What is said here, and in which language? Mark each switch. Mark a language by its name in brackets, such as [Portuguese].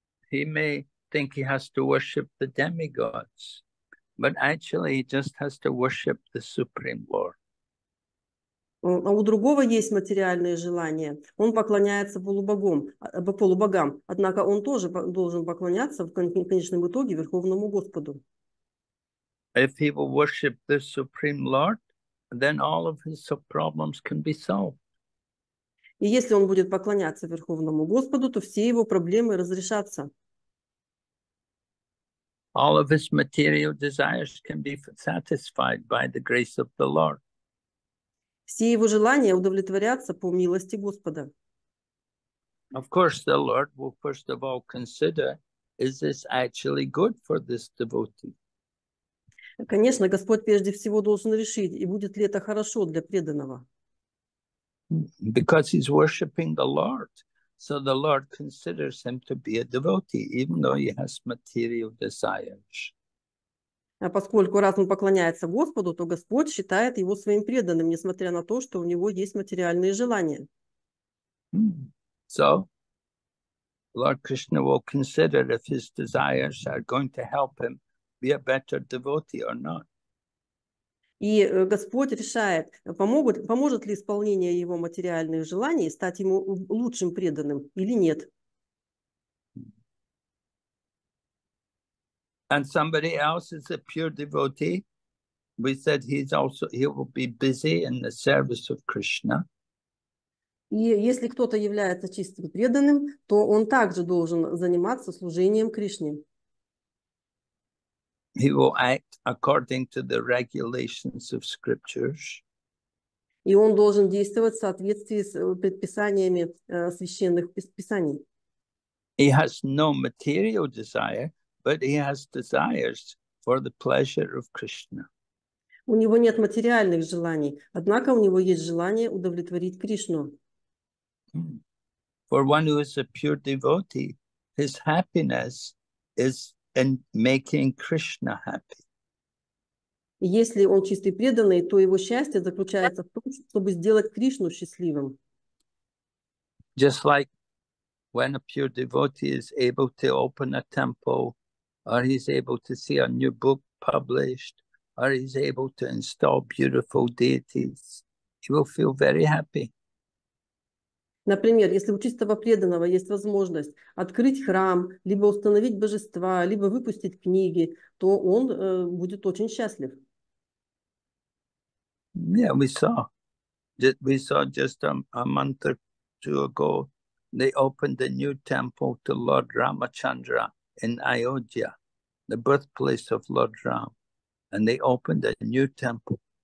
[English] He may think he has to worship the demigods, but actually he just has to worship the Supreme Lord. [Russian] А у другого есть материальные желания. Он поклоняется полубогам. Однако он тоже должен поклоняться в конечном итоге Верховному Господу. [English] If he will worship the Supreme Lord, then all of his problems can be solved. [Russian] И если он будет поклоняться Верховному Господу, то все его проблемы разрешатся. [English] All of his material desires can be satisfied by the grace of the Lord. [Russian] Все его желания удовлетворятся по милости Господа. [English] Of course, the Lord will first of all consider, is this actually good for this devotee? [Russian] Конечно, Господь прежде всего должен решить, и будет ли это хорошо для преданного. [English] Because he's worshiping the Lord, so the Lord considers him to be a devotee, even though he has material desires. [Russian] А поскольку раз он поклоняется Господу, то Господь считает его своим преданным, несмотря на то, что у него есть материальные желания. [English] So, Lord Krishna will consider if his desires are going to help him be a better devotee or not. [Russian] И Господь решает, поможет ли исполнение его материальных желаний стать ему лучшим преданным или нет. [English] And somebody else is a pure devotee. We said he will be busy in the service of Krishna. [Russian] И если кто-то является чистым преданным, то он также должен заниматься служением Кришне. [English] He will act according to the regulations of scriptures. [Russian] И он должен действовать в соответствии с предписаниями священных писаний. [English] He has no material desire. But he has desires for the pleasure of Krishna. [Russian] У него нет материальных желаний, однако у него есть желание удовлетворить Кришну. [English] For one who is a pure devotee, his happiness is in making Krishna happy. [Russian] Если он чистый преданный, то его счастье заключается в том, чтобы сделать Кришну счастливым. [English] Just like when a pure devotee is able to open a temple, or he's able to see a new book published, or he's able to install beautiful deities, he will feel very happy. [Russian] Например, если у чистого преданного есть возможность открыть храм, либо установить божества, либо выпустить книги, то он будет очень счастлив. [English] Yeah, we saw just a month or two ago, they opened a new temple to Lord Ramachandra in Ayodhya, the birthplace of Lord Ram, and they opened a new temple.